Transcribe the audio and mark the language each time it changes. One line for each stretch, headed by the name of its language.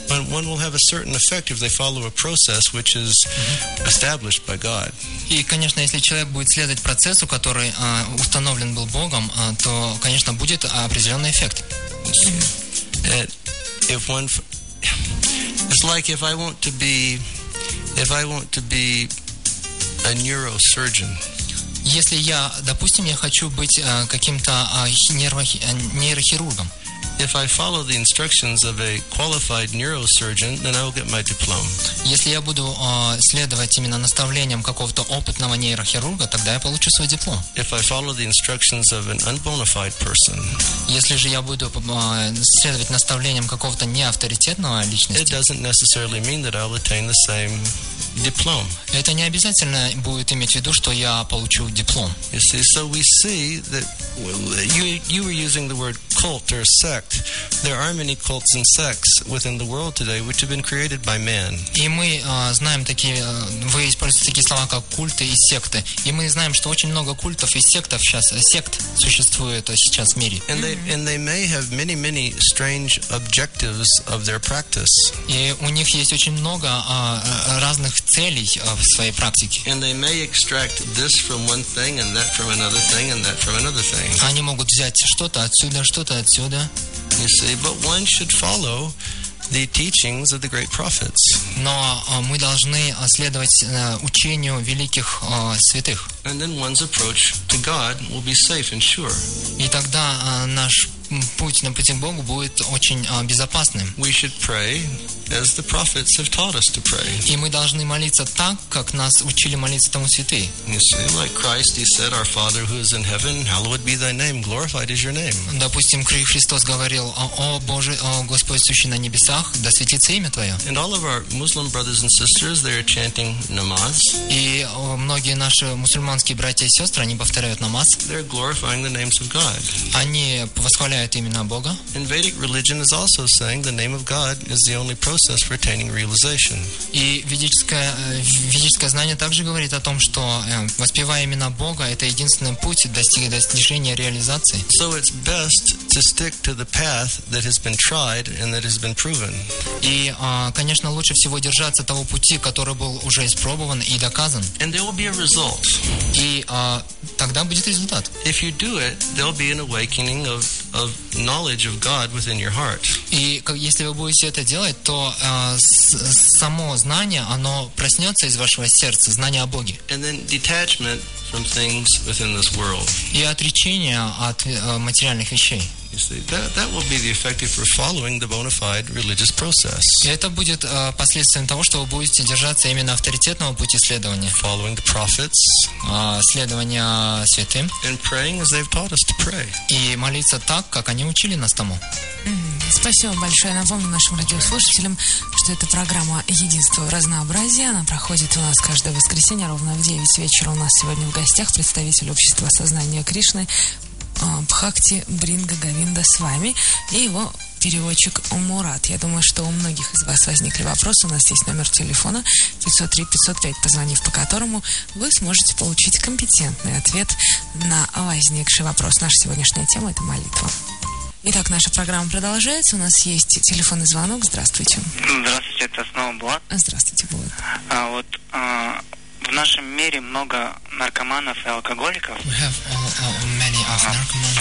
English: One will have a certain effect if they follow a process which is established by God.
Russian: И, конечно, если человек будет следовать процессу, который установлен был Богом, то, конечно, будет определенный эффект.
English: If one, it's like if I want to be, if I want to be a neurosurgeon.
Russian: Если я, допустим, я хочу быть каким-то нейрохирургом.
English: If I follow the instructions of a qualified neurosurgeon, then I will get my diploma.
Russian: Если я буду следовать именно наставлениям какого-то опытного нейрохирурга, тогда я получу свой диплом.
English: If I follow the instructions of an unbonafide person,
Russian: если же я буду следовать наставлениям какого-то неавторитетного личности,
English: it doesn't necessarily mean that I'll attain the same diploma.
Russian: Это не обязательно будет иметь в виду, что я получу диплом.
English: You see, so we see that you were using the word cult or sect. There are many cults and sects within the world today which have been created by man.
Russian: И мы знаем такие, вы используете такие слова, как культы и секты. И мы знаем, что очень много культов и сектов сейчас, сект существует сейчас в мире.
English: And they may have many, many strange objectives of their practice.
Russian: И у них есть очень много разных целей в своей практике.
English: And they may extract this from one thing and that from another thing and that from another thing.
Russian: Они могут взять что-то отсюда.
English: You see, but one should follow the teachings of the great prophets.
Russian: Но мы должны следовать учению великих святых.
English: And then one's approach to God will be safe and sure.
Russian: И тогда наш путь на пути к Богу будет очень безопасным.
English: We should pray as the prophets have taught us to pray.
Russian: И мы должны молиться так, как нас учили молиться тому святые.
English: You see, like Christ, he said, "Our Father who is in heaven, hallowed be thy name, glorified is your name."
Russian: Допустим, Христос говорил: "О Боже, о Господь, сущий на небесах, да светится имя твое."
English: And all of our Muslim brothers and sisters, they are chanting namaz.
Russian: И многие наши мусульманские братья и сестры, они повторяют намаз.
English: They're glorifying the names of God.
Russian: Они восхваляют имена Бога.
English: And Vedic religion is also saying the name of God is the only process for attaining realization.
Russian: И ведическое знание также говорит о том, что воспевая имена Бога, это единственный путь достижения реализации.
English: So it's best to stick to the path that has been tried and that has been proven.
Russian: И, конечно, лучше всего держаться того пути, который был уже испробован и доказан.
English: And there will be a result.
Russian: И тогда будет результат.
English: If you do it, there will be an awakening of knowledge of God within your heart.
Russian: И если вы будете это делать, то само знание, оно проснется из вашего сердца, знание о Боге.
English: And then detachment from things within this world.
Russian: И отречение от материальных вещей.
English: You see, that will be the effect if we're following the bona fide religious process.
Russian: И это будет последствием того, что вы будете держаться именно авторитетного пути следования.
English: Following the prophets.
Russian: Следования святым.
English: And praying as they've taught us to pray.
Russian: И молиться так, как они учили нас тому. Спасибо большое. Напомню нашим радиослушателям, что это программа «Единство в разнообразии». Она проходит у нас каждое воскресенье ровно в 9 вечера. У нас сегодня в гостях представитель общества сознания Кришны Бхакти Бринга Говинда с вами и его переводчик Мурат. Я думаю, что у многих из вас возникли вопросы. У нас есть номер телефона 503-505, позвонив по которому, вы сможете получить компетентный ответ на возникший вопрос. Наша сегодняшняя тема – это молитва. Итак, наша программа продолжается. У нас есть телефонный звонок. Здравствуйте. Здравствуйте, это снова Булат. Здравствуйте, Булат. В нашем мире много наркоманов и алкоголиков.
English: We have many of narcomans.